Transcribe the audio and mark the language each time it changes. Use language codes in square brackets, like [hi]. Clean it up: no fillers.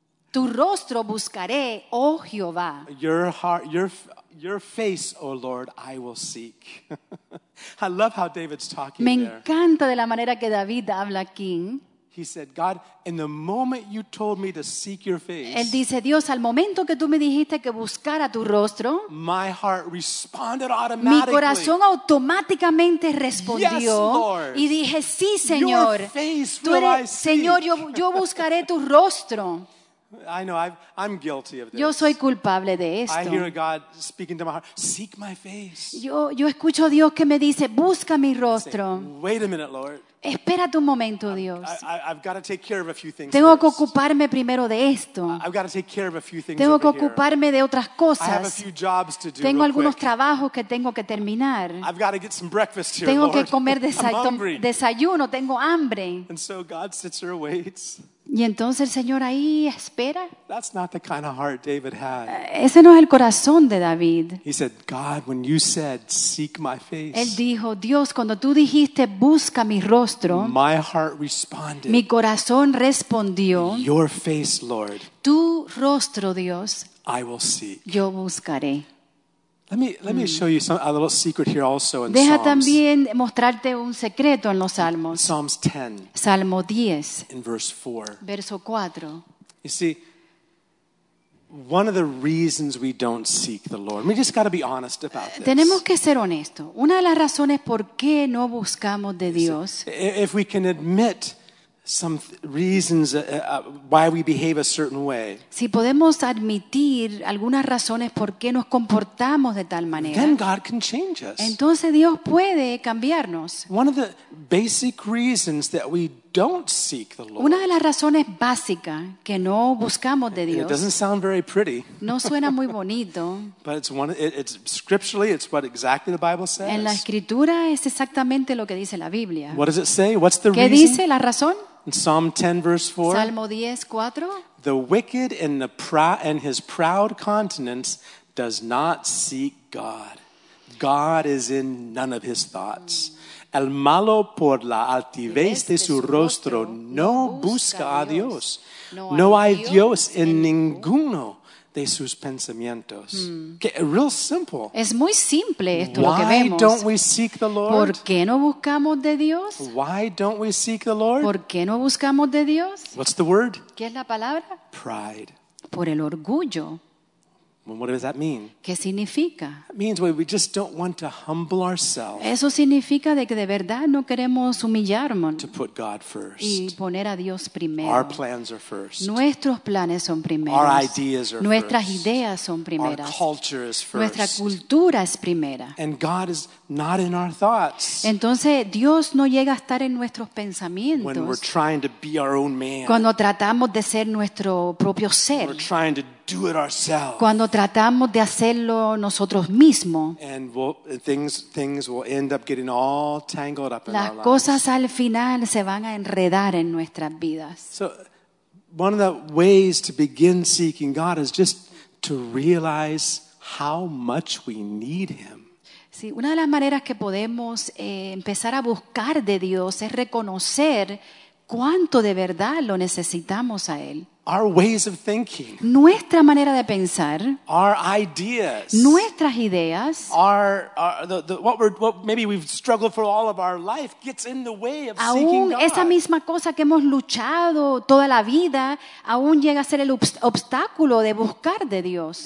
[es] Tu rostro buscaré, oh Jehová. [en] Your heart, your face, oh Lord, I will seek. I love how David's talking there. [es] Me encanta de la manera que David habla aquí. [en] He said, God, in the moment you told me to seek your face. [es] Él dice, Dios, al momento que tú me dijiste que buscara tu rostro. [en] My heart responded automatically. [es] Mi corazón automáticamente respondió. [en] Yes, Lord. [es] Y dije, sí, Señor. [en] Your face [es] tú eres, [en] will I seek. [es] Señor, yo buscaré tu rostro. [en] I know I'm guilty of this. [es] Yo soy culpable de esto. [en] I hear God speaking to my heart, seek my face. [es] Yo escucho a Dios que me dice, busca mi rostro. [en] Say, wait a minute, Lord. [es] Espera tu momento, Dios. [en] I've got to take care of a few things. [es] Tengo que ocuparme primero de esto. [en] I've got to take care of a few things. [es] Tengo que ocuparme de otras cosas. [en] I have a few jobs to do. [es] Tengo algunos trabajos que tengo que terminar. [en] I've got to get some breakfast here, Lord. [es] Tengo que comer desayuno, tengo hambre. [en] And so God sits there and waits. [es] Y entonces el Señor ahí espera. [en] That's not the kind of heart David had. [es] Ese no es el corazón de David. [en] He said, God, when you said, seek my face. [es] Él dijo, Dios, cuando tú dijiste, busca mi rostro. [en] My heart responded. [es] Mi corazón respondió. [en] Your face, Lord. [es] Tu rostro, Dios. [en] I will seek. [es] Yo buscaré. [en] Let me show you a little secret here also in [es] Deja [en] Psalms. [es] También mostrarte un secreto en los Salmos. [en] Psalms 10. [es] Salmo 10. [en] In verse 4. [es] Verso 4. [en] You see, one of the reasons we don't seek the Lord. We just got to be honest about this. [es] Tenemos que ser honestos. Una de las razones por qué no buscamos de Dios. [en] If we can admit some reasons why we behave a certain way. [es] Si podemos admitir algunas razones por qué nos comportamos de tal manera. [en] Then God can change us. [es] Entonces Dios puede cambiarnos. [en] One of the basic reasons that we don't seek the Lord. [es] Una de las razones básicas que no buscamos de Dios. [en] It doesn't sound very pretty. [es] No suena muy bonito. [en] But it's one. It's scripturally. It's what exactly the Bible says. [es] En la escritura es exactamente lo que dice la Biblia. [en] What does it say? What's the [es] ¿Qué [en] reason? [es] ¿Qué dice la razón? [en] In Psalm 10, verse 4. [es] Salmo 10, 4. [en] The wicked in the and his proud countenance does not seek God. God is in none of his thoughts. [es] El malo por la altivez de su rostro no busca a Dios. No hay Dios en ninguno de sus pensamientos. [en] Real simple. [es] Es muy simple esto [en] Why [es] lo que vemos. [en] Why don't we seek the Lord? [es] ¿Por qué no buscamos de Dios? [en] Why don't we seek the Lord? [es] ¿Por qué no buscamos de Dios? [en] What's the word? [es] ¿Qué es la palabra? [en] Pride. [es] Por el orgullo. [en] What does that mean? [es] ¿Qué significa? [en] It means we just don't want to humble ourselves. [es] Eso significa de que de verdad no queremos humillarnos. [en] To put God first. [es] Y poner a Dios primero. [en] Our plans are first. [es] Nuestros planes son primeros. [en] Our ideas are [es] Nuestras [en] first. [es] Ideas son primeras. [en] Our culture is first. [es] Nuestra cultura es primera. [en] And God is not in our thoughts. [es] Entonces Dios no llega a estar en nuestros pensamientos. [en] When we're trying to be our own man. [es] Cuando tratamos de ser nuestro propio ser. [en] We're trying to do it ourselves. [es] Cuando tratamos de hacerlo nosotros mismos. [en] And things will end up getting all tangled up in our lives. [es] Las cosas al final se van a enredar en nuestras vidas. [en] So one of the ways to begin seeking God is just to realize how much we need him. [es] Sí, una de las maneras que podemos empezar a buscar de Dios es reconocer cuánto de verdad lo necesitamos a él. [en] Our ways of thinking. [es] Nuestra manera de pensar. [en] Our ideas. [es] Nuestras ideas. [en] What maybe we've struggled for all of our life gets in the way of seeking God. [es] Esa misma cosa que hemos luchado toda la vida aún llega a ser el obstáculo de buscar de Dios.